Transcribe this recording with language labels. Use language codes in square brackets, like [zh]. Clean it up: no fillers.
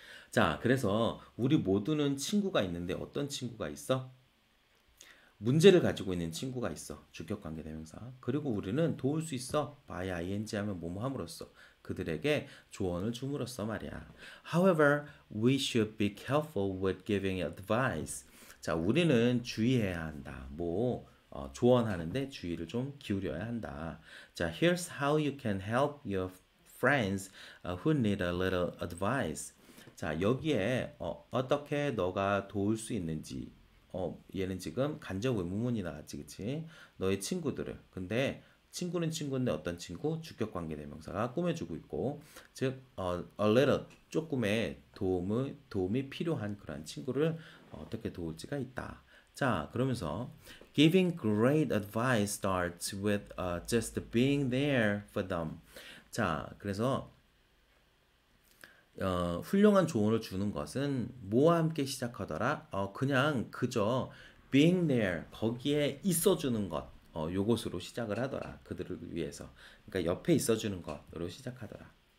[ko] 자, 그래서 우리 모두는 친구가 있는데 어떤 친구가 있어? 문제를 가지고 있는 친구가 있어. 주격 관계 대명사. 그리고 우리는 도울 수 있어. by ing 하면 뭐뭐 함으로써. 그들에게 조언을 주므로써 말이야. [en] However, we should be careful with giving advice. [ko] 자, 우리는 주의해야 한다. 뭐, 조언하는데 주의를 좀 기울여야 한다. [en] 자, here's how you can help your friends who need a little advice. [ko] 자, 여기에 어떻게 너가 도울 수 있는지. 얘는 지금 간접 의문문이 나왔지, 그치? 너의 친구들을. 근데 친구는 친구인데 어떤 친구? 주격 관계 대명사가 꾸며주고 있고, 즉, a little, 조금의 도움이 필요한 그런 친구를 어떻게 도울지가 있다. [en] 자, 그러면서, giving great advice starts with just being there for them. [ko] 자, 그래서, 훌륭한 조언을 주는 것은 뭐와 함께 시작하더라? 그냥 그저 [en] being there, [ko] 거기에 있어주는 것. 요것으로 시작을 하더라. 그들을 위해서. 그러니까 옆에 있어주는 것으로 시작하더라.